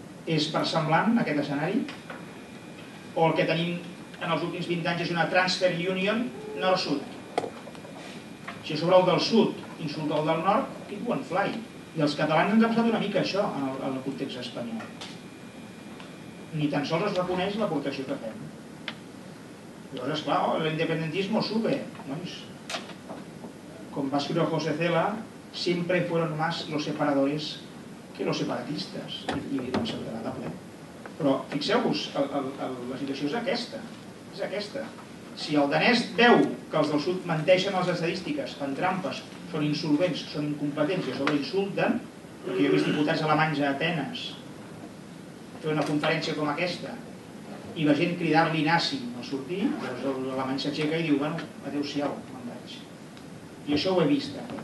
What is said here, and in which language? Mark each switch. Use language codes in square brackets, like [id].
[ca] És persemblant aquest escenari? O el que tenim en els últims 20 anys és una transfer union nord-sud? Si a sobre el del sud insulta el del nord, [en] it won't fly. [ca] I els catalans ens han passat una mica això en el context espanyol. Ni tan sols es reconeix l'aportació que fem. Llavors, esclar, l'independentisme [es] sube. [ca] Doncs, com va escriure José Cela, sempre [es] fueron más los separadores que los separatistas. [ca] I doncs se'l quedarà de ple. Però fixeu-vos, la situació és aquesta. És aquesta. Si el danès veu que els del sud menteixen les estadístiques, fan trampes, són insolvents, són incompetents i a sobre insulten, perquè jo he vist diputats alemanys a Atenes fer una conferència com aquesta i la gent cridar-li nazi al sortir, llavors l'alemany s'aixeca i diu, bueno, adeu-siau, me'n vaig. I això ho he vist.